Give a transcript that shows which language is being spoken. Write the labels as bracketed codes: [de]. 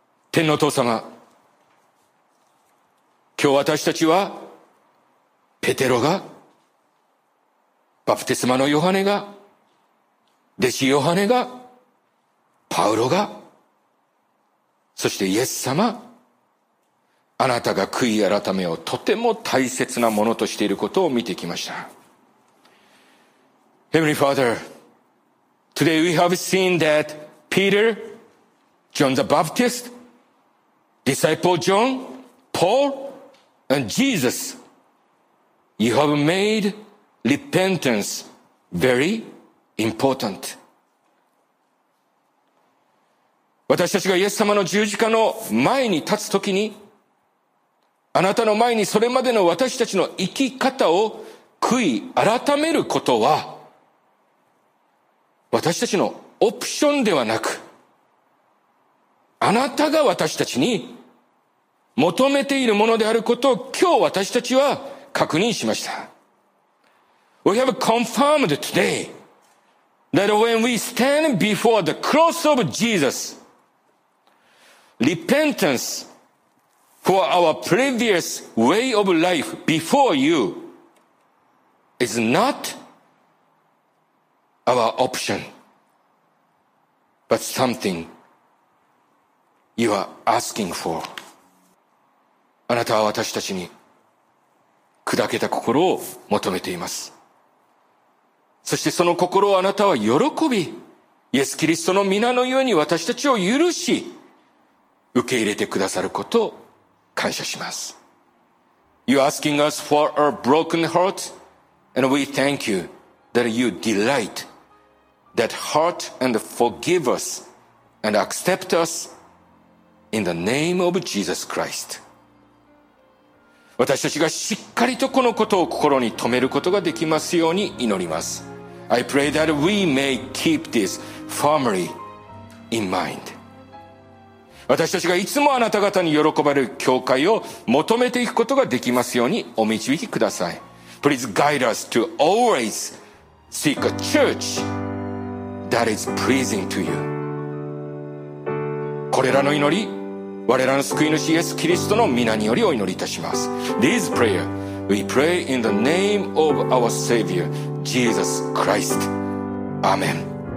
[ja] 天の父様、今日私たちはペテロが、バプテスマのヨハネが、弟子ヨハネが、パウロが、そしてイエス様、あなたが悔い改めをとても大切なものとしていることを見てきました。 [en] Heavenly Father, today we have seen that Peter, John the Baptist, Disciple John, PaulAnd Jesus, you have made repentance very important. [ja] 私たちがイエス様の十字架の前に立つときに、あなたの前にそれまでの私たちの生き方を悔い改めることは、私たちのオプションではなく、あなたが私たちに求めているものであることを今日私たちは確認しました。 [en] We have confirmed today that when we stand before the cross of Jesus, repentance for our previous way of life before you is not our option, but something you are asking for. [ja] あなたは私たちに砕けた心を求めています。そしてその心をあなたは喜び、イエス・キリストの皆のように私たちを許し、受け入れてくださることを感謝します。 [en] You are asking us for our broken heart, and we thank you that you delight that heart and forgive us and accept us in the name of Jesus Christ. [ja] 私たちがしっかりとこのことを心に留めることができますように祈ります。 [en] I pray that we may keep this firmly in mind. [ja] 私たちがいつもあなた方に喜ばれる教会を求めていくことができますようにお導きください。 [en] Please guide us to always seek a church that is pleasing to you. [ja] これらの祈り、我らの救い主イエス・キリストの皆によりお祈りいたします。 [en] This prayer we pray in the name of our Savior. Jesus Christ. Amen.